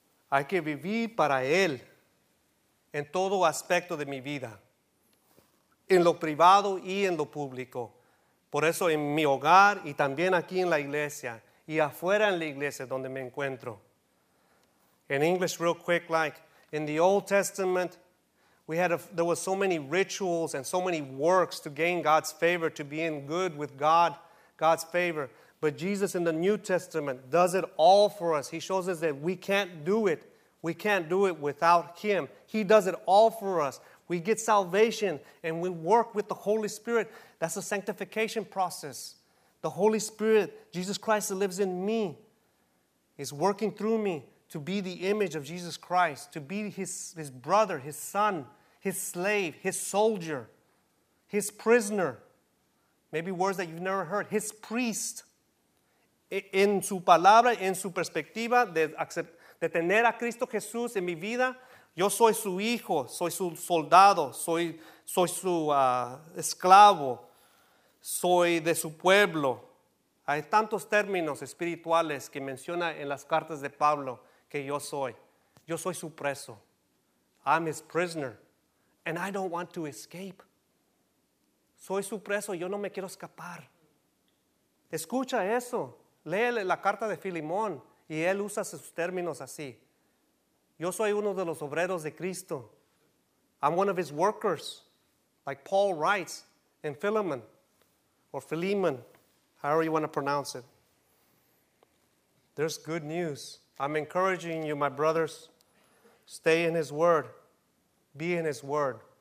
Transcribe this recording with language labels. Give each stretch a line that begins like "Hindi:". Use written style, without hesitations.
Spanish: Hay que vivir para Él en todo aspecto de mi vida, en lo privado y en lo público. Por eso en mi hogar y también aquí en la iglesia y afuera en la iglesia donde me encuentro.
English: In English, real quick, like in the Old Testament, there were so many rituals and so many works to gain God's favor, to be in good with God, God's favor. But Jesus in the New Testament does it all for us. He shows us that we can't do it. We can't do it without Him. He does it all for us. We get salvation and we work with the Holy Spirit. That's a sanctification process. The Holy Spirit, Jesus Christ that lives in me, is working through me to be the image of Jesus Christ, to be his brother, his son, his slave, his soldier, his prisoner. Maybe words that you've never heard. His priest.
Spanish: En su palabra, en su perspectiva de tener a Cristo Jesús en mi vida, yo soy su hijo, soy su soldado, soy su esclavo, soy de su pueblo. Hay tantos términos espirituales que menciona en las cartas de Pablo que yo soy su preso.
English: I'm his prisoner and I don't want to escape.
Spanish: Soy su preso, yo no me quiero escapar. Escucha eso. Lee la carta de Filemón y él usa sus términos así. Yo soy uno de los obreros de Cristo.
English: I'm one of his workers, like Paul writes in Philemon, or Philemon, however you want to pronounce it. There's good news. I'm encouraging you, my brothers, stay in his word, be in his word.